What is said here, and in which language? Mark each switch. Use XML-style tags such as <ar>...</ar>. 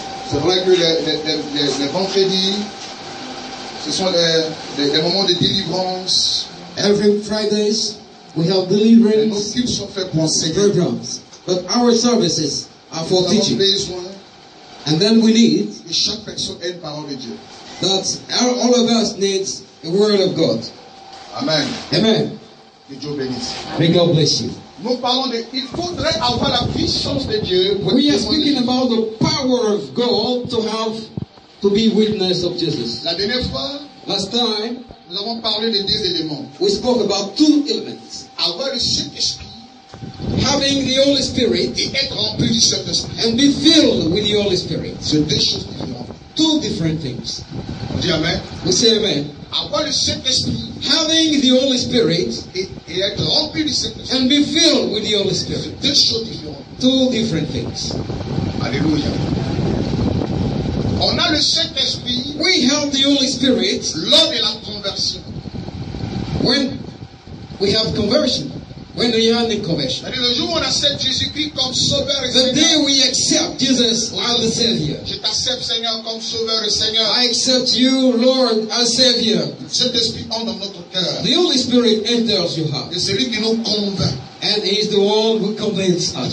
<fr>C'est vrai que les vendredis, ce sont les moments de délivrance.</fr> <en>Every Fridays, we have deliverance.</en> <fr>Nos cultes sont faits pour enseigner.</fr> <en>Programs. But our services are for teaching.</en> <fr>Nous avons besoin.</fr> <en>And then we need.</en> <fr>Que chaque personne ait une parole de Dieu.</fr> <en>That all of us needs the word of God.</en> <fr>Amen.</fr> <en>Amen.</en> <fr>Que Dieu bénisse.</fr> <en>May God bless you.</en> <fr>Nous parlons de il faudrait avoir la puissance de Dieu pour être.</fr> <en>We are speaking about the power of God to have to be witness of Jesus.</en> <fr>La dernière fois,</fr> <en>last time,</en> <fr>nous avons parlé de deux éléments.</fr> <en>We spoke about two elements.</en> <fr>Avoir le Saint-Esprit,</fr> <en>having the Holy Spirit,</en> <fr>et être rempli du Saint-Esprit,</fr> <en>and be filled with the Holy Spirit.</en> <fr>C'est deux choses différentes.</fr> <en>Two different things.</en> <fr>On dit amen.</fr> <en>We say amen.</en> <fr>Avoir le Saint-Esprit,</fr> <en>having the Holy Spirit,</en> <fr>et être rempli du Saint-Esprit,</fr> <en>and be filled with the Holy Spirit.</en> <fr>C'est deux choses différentes.</fr> <en>Two different things.</en> <fr>Alléluia. On a le Saint-Esprit.</fr> <en>We have the Holy Spirit</en> <fr>lors de la conversion.</fr> <en>When we have conversion. When we are in conversion.</en> <fr>C'est-à-dire le jour où on accepte Jésus-Christ comme sauveur et Seigneur.</fr> <en>The day we accept Jesus as the Savior.</en> <fr>Je t'accepte Seigneur comme sauveur et Seigneur.</fr> <en>I accept you, Lord, as Savior.</en> <fr>Saint-Esprit entre dans notre cœur.</fr> <en>The Holy Spirit enters your heart.</en> <fr>Et celui qui nous convainc.</fr> <en>And he is the one who convinces us.</en>